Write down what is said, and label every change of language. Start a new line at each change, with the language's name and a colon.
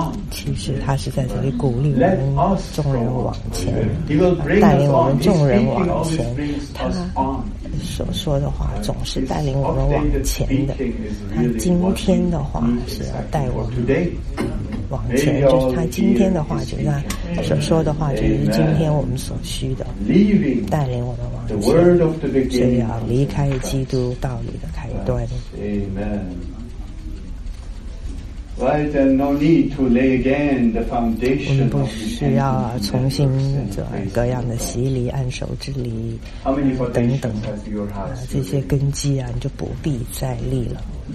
Chinese: 其实他是在这里鼓励我们众人往前，带领我们众人往前，他所说的话总是带领我们往前的，他今天的话是要带我们往前，就是他今天的话，就是他所说的话，就是今天我们所需的，带领我们往前，所以要离开基督道理的开端。
English: Amen. Right, and no need to lay again the foundation.
Chinese: 我们不需要重新做各样的洗礼、按手之礼等等啊，这些根基啊，你就不必再立了。